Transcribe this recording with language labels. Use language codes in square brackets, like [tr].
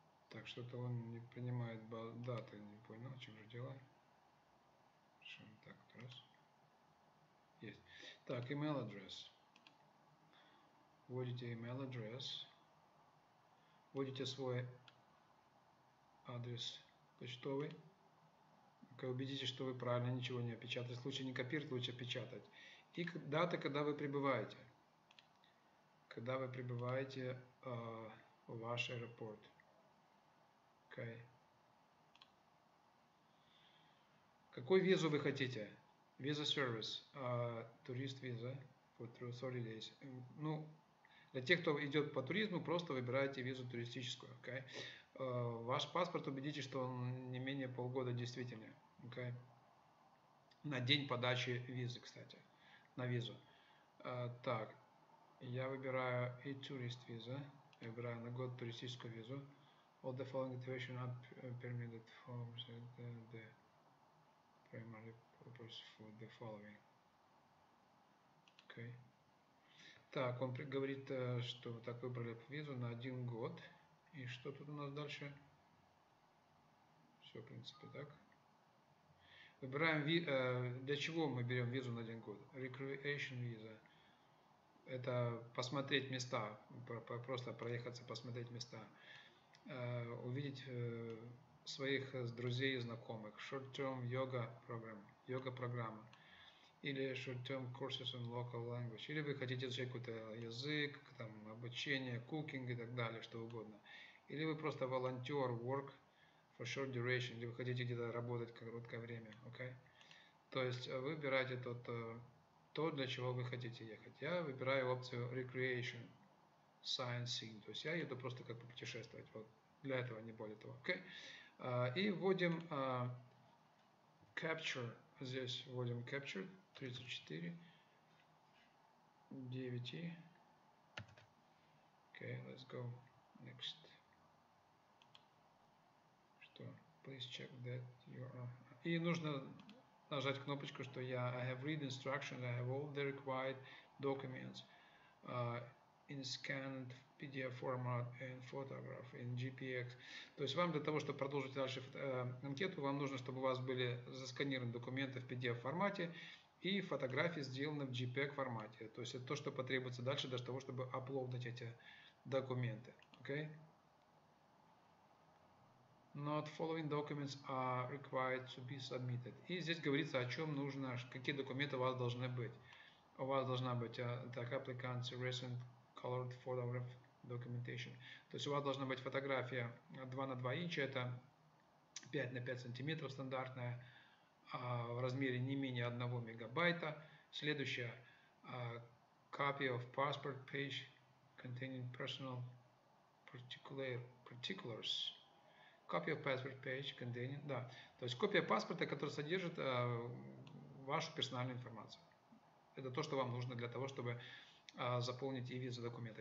[ru] Так, что-то он не понимает даты, не понял, чем же дело. Хорошо, так, раз. Есть. Так, email address. Вводите email address. Вводите свой адрес почтовый. Okay, убедитесь, что вы правильно ничего не опечатали. В случае не копировать, лучше печатать. И дата, когда вы прибываете. Когда вы прибываете в ваш аэропорт. [en] Okay. [ru] Какую визу вы хотите? Visa service. Турист виза. [en] For 30 days. [ru] Для тех, кто идет по туризму, просто выбирайте визу туристическую. [en] Okay. [ru] Ваш паспорт, убедитесь, что он не менее полгода действительно. [en] Okay. [ru] На день подачи визы, кстати. На визу. Так. Я выбираю и турист виза. Я выбираю на год туристическую визу. [en] All the following situations are permitted for the primary purpose for the following. Okay. [ru] Так, он говорит, что так выбрали визу на один год. И что тут у нас дальше? Все, в принципе, так. Выбираем, для чего мы берем визу на один год? [en] Recreation visa. [ru] это посмотреть места, просто проехаться, посмотреть места, увидеть своих друзей и знакомых. [en] Short-term yoga program, [ru] йога программа, или [en] short-term courses in local language, [ru] или вы хотите изучать какой-то язык, там, обучение, cooking и так далее, что угодно. Или вы просто [en] volunteer work for short duration, [ru] или вы хотите где-то работать короткое время, okay? То есть выбирайте то, для чего вы хотите ехать. Я выбираю опцию [en] recreation, sightseeing, [ru] то есть я еду просто как бы путешествовать, вот для этого, не более того, okay? И вводим capture, здесь вводим capture, 34, 9, [en] okay, let's go, next. Please check that you are. [ru] И нужно нажать кнопочку, что я [en] I have read instructions, I have all the required documents in scanned PDF format and photograph in GPX. [ru] То есть вам для того, чтобы продолжить дальше анкету, вам нужно, чтобы у вас были засканированы документы в PDF формате и фотографии сделаны в GPX формате. То есть это то, что потребуется дальше для того, чтобы оплодить эти документы. [en] Okay? Not following documents are required to be submitted. [ru] И здесь говорится, о чем нужно, какие документы у вас должны быть. У вас должна быть так, [en] applicants, recent colored photograph documentation. [ru] То есть у вас должна быть фотография 2 на 2 инча, это 5 на 5 сантиметров стандартная, в размере не менее 1 мегабайта. [en] Следующая, copy of passport page containing personal particulars. Copy of passport page containing, [ru] да, то есть копия паспорта, которая содержит вашу персональную информацию. Это то, что вам нужно для того, чтобы заполнить и визу документа.